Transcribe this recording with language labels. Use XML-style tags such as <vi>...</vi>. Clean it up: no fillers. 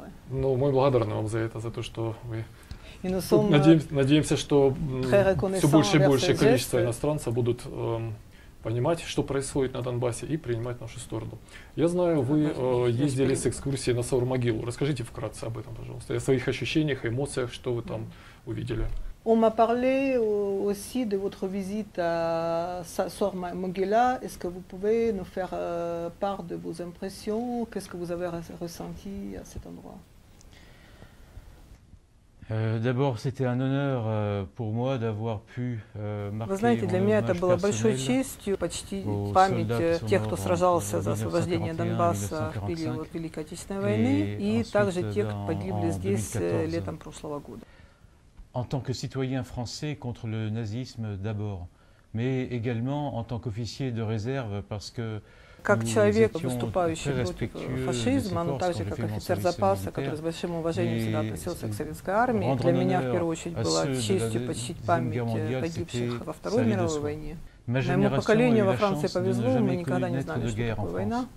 <ru>Ну, мы благодарны вам за это, за то, что вы... Надеемся, что все больше и больше количество иностранцев будут... понимать, что происходит на Донбассе, и принимать нашу сторону. Я знаю, вы ездили с экскурсией на Саурмогилу. Расскажите вкратце об этом, пожалуйста, о своих ощущениях, эмоциях, что вы там увидели.</ru> <fr>On m'a parlé aussi de votre visite à Saurmogila. Est-ce que vous pouvez nous faire part de vos impressions? Qu'est-ce que vous avez ressenti à cet endroit? D'abord, c'était un honneur pour moi d'avoir pu marquer.</fr> <ru>Вы знаете, для меня это было большой честью почтить память тех, кто сражался за освобождение Донбасса в период Великой Отечественной войны, и также тех, кто погибли здесь летом прошлого года.</ru> <fr>En tant que citoyen français contre le nazisme d'abord, mais également en tant qu'officier de réserve parce que</fr> <ru>как человек, выступающий против фашизма, но также как офицер запаса, который с большим уважением всегда относился к советской армии, для меня в первую очередь была честью почтить память погибших во Второй мировой войне. Моему поколению во Франции повезло, мы никогда не знали, что такое война.</ru>